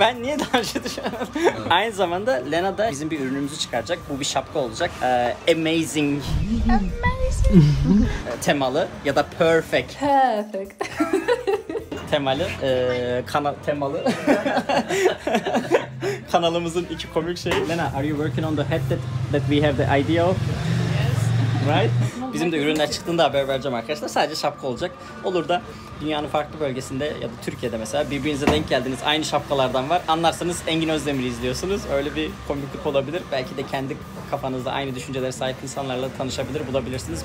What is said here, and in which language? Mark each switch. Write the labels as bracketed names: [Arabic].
[Turkish] Ben niye daha önce düşünmedim? Aynı zamanda Lena da bizim bir ürünümüzü çıkaracak. Bu bir şapka olacak. Amazing. [English] Amazing. [Turkish] Temalı ya da perfect. [English] Perfect. [Turkish] Temalı, temalı. Kanalımızın iki komik şeyi. [English] Lena, are you working on the hat that we have the idea of? Yes. Right? [Turkish] Bizim de ürünler çıktığında haber vereceğim arkadaşlar. Sadece şapka olacak. Olur da dünyanın farklı bölgesinde ya da Türkiye'de mesela birbirinize denk geldiniz. Aynı şapkalardan var. Anlarsanız Engin Özdemir'i izliyorsunuz. Öyle bir komiklik olabilir. Belki de kendi kafanızda aynı düşüncelere sahip insanlarla tanışabilir, bulabilirsiniz.